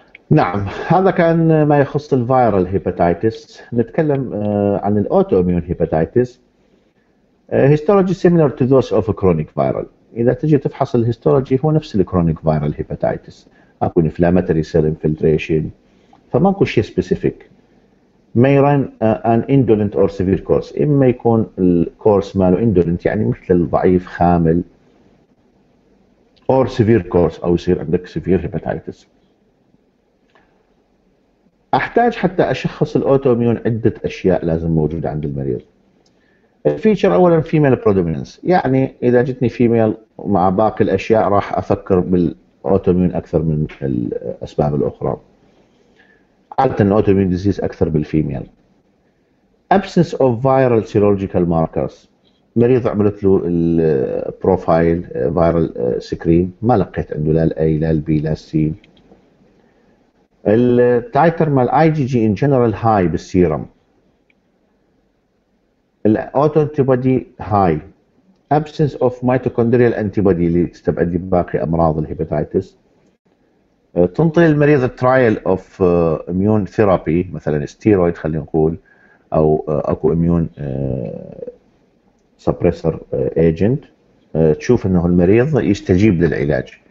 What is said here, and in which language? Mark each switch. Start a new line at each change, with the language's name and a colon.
Arabic: نعم هذا كان ما يخص الفيرال هيباتيتس. نتكلم عن الأوتو أميون هيباتيتس.
English: Histology similar to those of chronic viral.
Arabic: إذا تجي تفحص الهيستولوجي هو نفس الكرونيك فيرال هيباتيتس، أكو انفلاماتوري سيل انفلتريشن، فماكو شيء سبيسيفيك.
English: May run an indolent or severe course.
Arabic: إما يكون الكورس ماله indolent يعني مثل الضعيف خامل،
English: or severe course
Arabic: أو يصير عندك severe hepatitis. أحتاج حتى أشخص الأوتوميون عدة أشياء لازم موجودة عند المريض. الفيتشر أولا
English: female predominance،
Arabic: يعني إذا جتني female مع باقي الأشياء راح أفكر بالأوتوميون أكثر من الأسباب الأخرى. عادة ان autoimmune disease أكثر بالفيميل.
English: Absence of viral serological markers.
Arabic: مريض عملت له البروفايل viral screen ما لقيت عنده لا الأي لا البي لا السي. التايتر مال
English: IgG in general high
Arabic: بالسيرم. الأوتوانتيبادي high.
English: Absence of mitochondrial antibody
Arabic: اللي تستبعد باقي أمراض الهيباتيتس. تنطي المريض
English: trial of immune therapy
Arabic: مثلا ستيرويد خلينا نقول، او اكو immune suppressor agent، تشوف انه المريض يستجيب للعلاج.